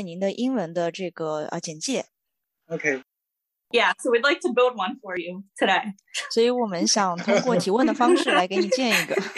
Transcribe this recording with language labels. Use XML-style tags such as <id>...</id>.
<zh>那我们先做一些热身，我们之前在采访前准备的时候呢，除了看了《恋爱是科学》这个剧，我们也查了您的资料，然后还没有发现您的英文的这个简介。</zh> <en>Okay. Yeah, so we'd like to build one for you today.</en> <zh>所以我们想通过提问的方式来给你建一个。</zh>